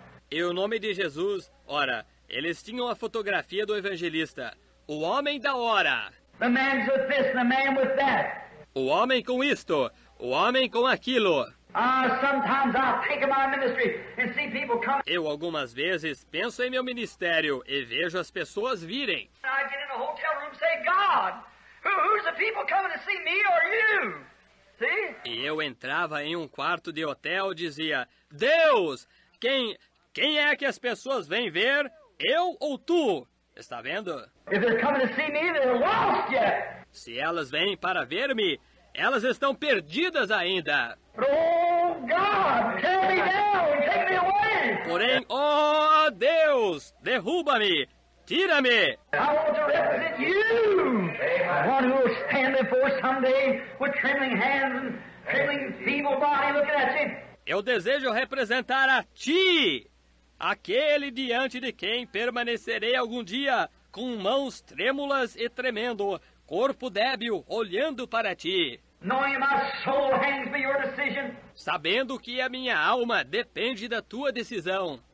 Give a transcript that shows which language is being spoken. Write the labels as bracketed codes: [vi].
[pt] E o nome de Jesus, ora, eles tinham a fotografia do evangelista, o homem da hora. [en] The man's with this, the man with that. [pt] O homem com isto, o homem com aquilo. [en] Sometimes I'll think of my ministry and see people come. [pt] Eu algumas vezes penso em meu ministério e vejo as pessoas virem. [en] I get in a hotel room and say, God, who's the people coming to see me or you? See? [pt] E eu entrava em um quarto de hotel e dizia, Deus, quem é que as pessoas vêm ver, eu ou tu? Está vendo? [en] If they're coming to see me, they're lost yet. [pt] Se elas vêm para ver-me, elas estão perdidas ainda. [en] Oh, God, tear me down, take me away. [pt] Porém, oh, Deus, derruba-me, tira-me. [en] I want to represent you, one who will stand before someday with trembling hands and trembling feeble body looking at you. [pt] Eu desejo representar a ti. Aquele diante de quem permanecerei algum dia, com mãos trêmulas e tremendo, corpo débil, olhando para ti. [en] Knowing my soul hangs by your decision. [pt] Sabendo que a minha alma depende da tua decisão.